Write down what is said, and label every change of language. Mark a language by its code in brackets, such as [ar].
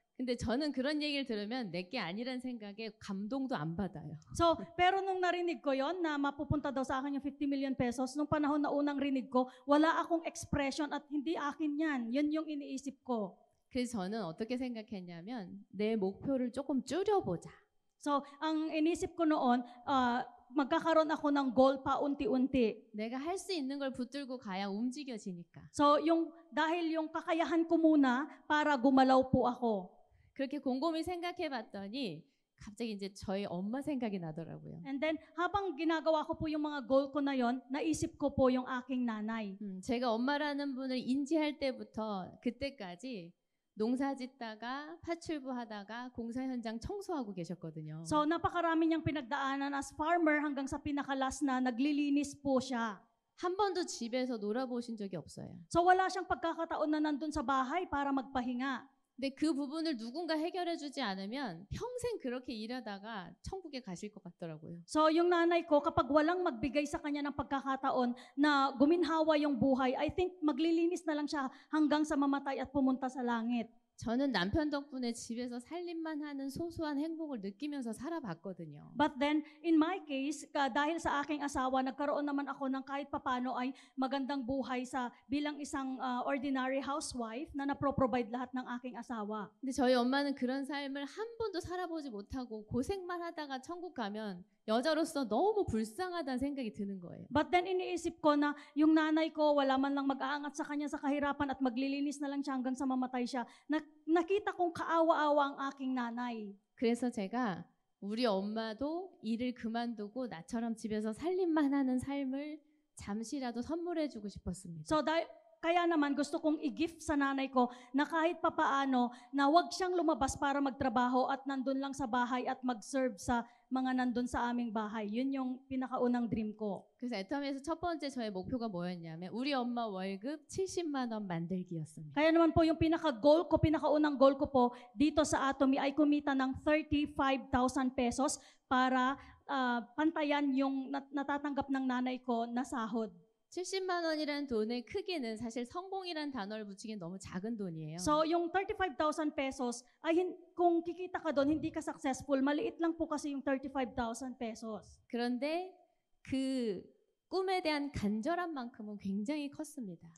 [ko] 근데 저는 그런 얘기를 들으면 내게 아니란 생각에 감동도 안 받아요. [tl] So, pero nung narinig ko yon na mapupunta daw sa akin yung 50 million pesos, nung panahon na unang rinig ko, wala akong expression at hindi akin yan. Yun yung iniisip ko. [ko] 그래서 저는 어떻게 생각했냐면 내 목표를 조금 줄여보자. [tl] So, ang inisip ko noon, magkakaroon ako ng goal pa unti-unti. [ko] 내가 할 수 있는 걸 붙들고 가야 움직여지니까. [tl] So, dahil yung kakayahan ko muna para gumalaw po ako. [ko] 그렇게 곰곰이 생각해봤더니 갑자기 이제 저희 엄마 생각이 나더라고요. [tl] And then 하방 ginagawa ko po yung mga goal ko na yon, naisip ko po yung aking nanay. [ko] 제가 엄마라는 분을 인지할 때부터 그때까지 농사 짓다가 파출부 하다가 공사 현장 청소하고 계셨거든요. [tl] So napakarami niyang pinagdaanan as farmer hanggang sa pinaka last na naglilinis po siya. [ko] 한 번도 집에서 놀아보신 적이 없어요. [tl] So wala siyang pagkakataon na nandun sa bahay para magpahinga. [ko] 근데 그 부분을 누군가 해결해 주지 않으면 평생 그렇게 일하다가 천국에 가실 것 같더라고요. [tl] So yung nanay ko kapag walang magbigay sa kanya ng pagkakataon na guminhawa yung buhay, I think maglilinis na lang siya hanggang sa mamatay at pumunta sa langit. [ko] 저는 남편 덕분에 집에서 살림만 하는 소소한 행복을 느끼면서 살아봤거든요. [en] But then in my case, [tl] dahil sa aking asawa, nagkaroon naman ako ng kahit papaano ay magandang buhay sa bilang isang ordinary housewife na napro-provide lahat ng aking asawa. [ko] 근데 저희 엄마는 그런 삶을 한 번도 살아보지 못하고 고생만 하다가 천국 가면 여자로서 너무 불쌍하다는 생각이 드는 거예요. [tl] But then iniisip ko na yung nanay ko wala man lang mag-aangat sa kanya sa kahirapan at maglilinis na lang siya hanggang sa mamatay siya. Nakita kong kaawa-awa ang aking nanay. [ko] 그래서 제가 우리 엄마도 일을 그만두고 나처럼 집에서 살림만 하는 삶을 잠시라도 선물해 주고 싶었습니다. [tl] So that, kaya naman gusto kong i-gift sa nanay ko na kahit papaano na wag siyang lumabas para magtrabaho at nandun lang sa bahay at mag-serve sa mga nandun sa aming bahay. Yun yung pinakaunang dream ko. [ko] 그래서 애터미에서 첫 번째 저의 목표가 뭐였냐면 우리 엄마 월급 70만 원 만들기였습니다. 그래서 나만 [tl] po yung pinaka goal ko, pinakaunang goal ko po dito sa Atomy ay kumita ng 35,000 pesos para pantayan yung natatanggap ng nanay ko na sahod. [ko] 70만 원이라는 돈의 크기는 사실 성공이라는 단어를 붙이기엔 너무 작은 돈이에요. [tl] So yung 35,000 pesos ay kung kikita ka doon hindi ka successful, maliit lang po kasi yung 35,000 pesos. [ko] 그런데 그 꿈에 대한 간절한 만큼은 굉장히 컸습니다.